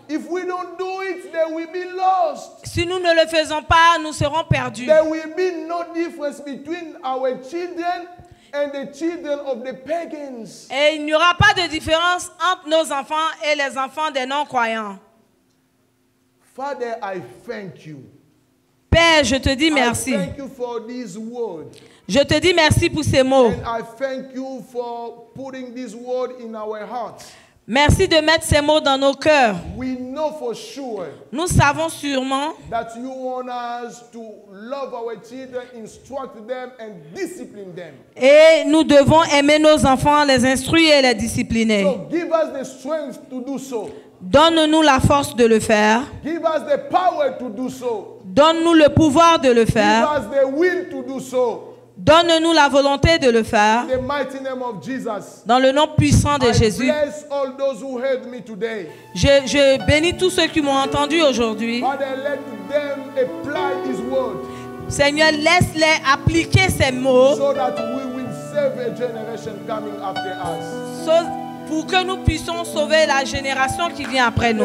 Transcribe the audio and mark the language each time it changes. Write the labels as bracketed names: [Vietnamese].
[English] If we don't do it, they will be lost. [French] Si nous ne le faisons pas, nous serons perdus. [English] There will be no difference between our children and the children of the pagans. [French] Et il n'y aura pas de différence entre nos enfants et les enfants des non-croyants. [English] Father, I thank you. [French] Père, je te dis merci. [English] I thank you for this word. [French] Je te dis merci pour ces mots. [English] And I thank you for putting this word in our hearts. [French] Merci de mettre ces mots dans nos cœurs. [English] We know for sure. [French] Nous savons sûrement [English] that you want us to love our children, instruct them and discipline them. [French] Et nous devons aimer nos enfants, les instruire et les discipliner. [English] So give us the strength to do so. [French] Donne-nous la force de le faire. [English] Give us the power to do so. [French] Donne-nous le pouvoir de le faire. [English] Give us the will to do so. [French] Donne-nous la volonté de le faire. [English] In the mighty name of Jesus, [French] dans le nom puissant de [English] I [French] Jésus. [English] Bless all those who heard me today. [French] Je bénis tous ceux qui m'ont entendu aujourd'hui. [English] Father, let them apply this word. [French] Seigneur, laisse-les appliquer ces mots. [English] So that we will save a generation coming after us. [French] Pour que nous puissions sauver la génération qui vient après nous.